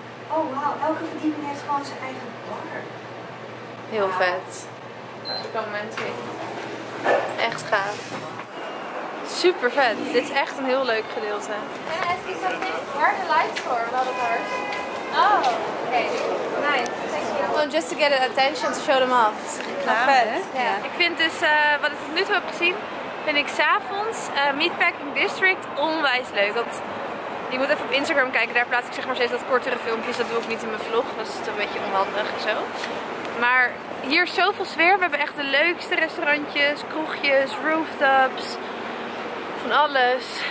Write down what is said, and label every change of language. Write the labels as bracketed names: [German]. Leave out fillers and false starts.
[Dutch] Oh, wauw. Elke verdieping heeft gewoon zijn eigen bar. Heel vet. Er komen mensen in. Echt gaaf. Super vet. Dit is echt een heel leuk gedeelte. En is dat niet waar de lights voor? Wel dat hard. Oh, oké. [English] Okay. Nice. Thank you. Well, just to get attention to show them off. [Dutch] Klaar. Nou, vet. Yeah. Ik vind dus, wat ik tot nu toe heb gezien, vind ik s'avonds Meatpacking District onwijs leuk. Want je moet even op Instagram kijken, daar plaats ik zeg maar steeds wat kortere filmpjes. Dat doe ik niet in mijn vlog, dat is toch een beetje onhandig en zo. Maar hier is zoveel sfeer. We hebben echt de leukste restaurantjes, kroegjes, rooftops. Van alles.